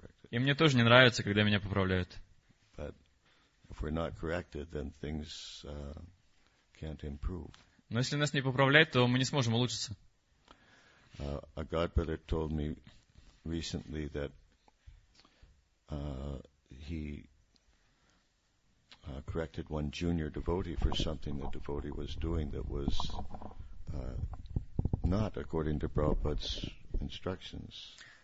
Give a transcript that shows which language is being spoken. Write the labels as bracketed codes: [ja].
[ru] И мне тоже не нравится, когда меня поправляют. [en] If we're not corrected, then things can't improve. [ru] Но если нас не поправляют, то мы не сможем улучшиться. [en] A godbrother told me recently that he corrected one junior devotee for something the devotee was doing that was not according to Prabhupada's instructions.